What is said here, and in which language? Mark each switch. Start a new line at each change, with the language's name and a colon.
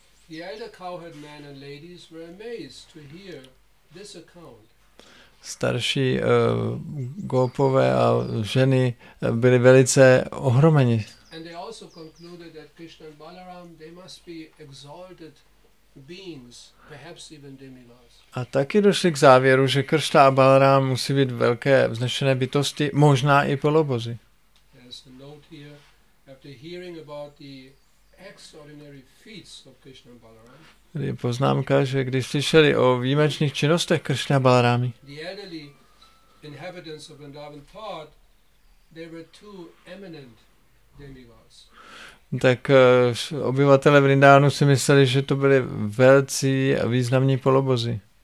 English: The elder cowherd men and ladies were amazed to hear this account.
Czech: starší gopové a ženy byli velice ohromeni.
English: And they also concluded that Krishna and Balaram, they must be exalted beings, perhaps even demigods.
Czech: A taky došli k závěru, že Kršta a Balaram musí být velké vznešené bytosti, možná i polobozy.
English: There's a note here, after hearing about the extraordinary feats of Krishna and Balaram.
Czech: Tady je poznámka, že když slyšeli o výjimečných činnostech Kršta a Balarámy,
English: the elderly inhabitants of Vrindavan thought they were too eminent.
Czech: Tak obyvatelé Vrindávanu si mysleli, že to byly velcí a významní polobozy.